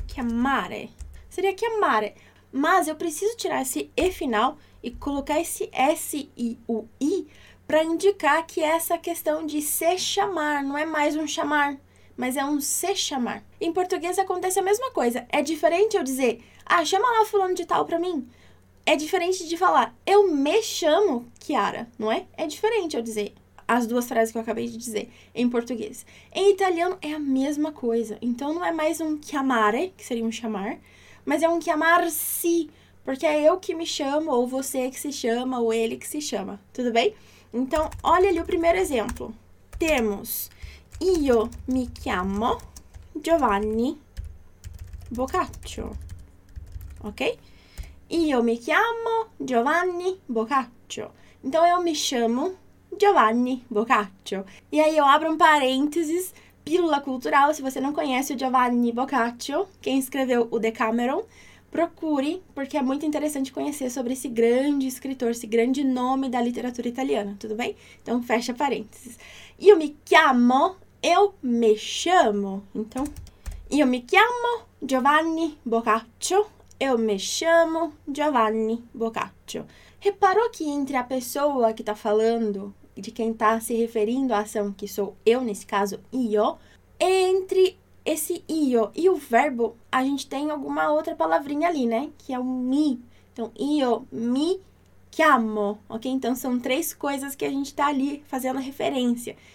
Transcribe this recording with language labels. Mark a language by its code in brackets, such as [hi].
[it] Chiamare, [pt] seria [it] chiamare. [pt] Mas eu preciso tirar esse E final e colocar esse S e o I para indicar que essa questão de se chamar não é mais um chamar, mas é um se chamar. Em português acontece a mesma coisa. É diferente eu dizer, ah, chama lá fulano de tal para mim. É diferente de falar, eu me chamo Chiara, não é? É diferente eu dizer as duas frases que eu acabei de dizer em português. Em italiano é a mesma coisa. Então, não é mais um chiamare, que seria um chamar, mas é um chiamar-se, porque é eu que me chamo, ou você que se chama, ou ele que se chama, tudo bem? Então, olha ali o primeiro exemplo. [it] Temos, io mi chiamo Giovanni Boccaccio, ok? Io mi chiamo Giovanni Boccaccio. [pt] Então, eu me chamo Giovanni Boccaccio. E aí, eu abro um parênteses. Pílula cultural, se você não conhece o Giovanni Boccaccio, quem escreveu o Decameron, procure, porque é muito interessante conhecer sobre esse grande escritor, esse grande nome da literatura italiana, tudo bem? Então, fecha parênteses. [it] Io mi chiamo, [pt] eu me chamo. Então, [it] io mi chiamo Giovanni Boccaccio, [pt] eu me chamo Giovanni Boccaccio. Reparou que entre a pessoa que está falando, de quem está se referindo à ação, que sou eu, nesse caso, io, entre esse io e o verbo, a gente tem alguma outra palavrinha ali, né? Que é o mi. Então, [it] io mi chiamo, [pt] ok? Então, são três coisas que a gente está ali fazendo referência.